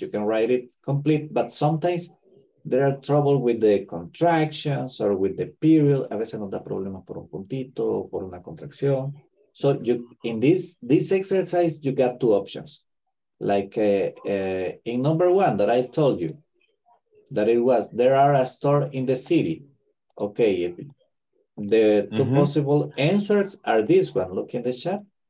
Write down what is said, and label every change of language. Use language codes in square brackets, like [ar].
[en] You can write it complete, but sometimes there are trouble with the contractions or with the period. [es] A veces nos da problemas por un puntito o por una contracción. [en] So you in this exercise, you got two options. Like in number one that I told you, that it was, there are a store in the city. Okay, the two possible answers are this one. Look in the chat.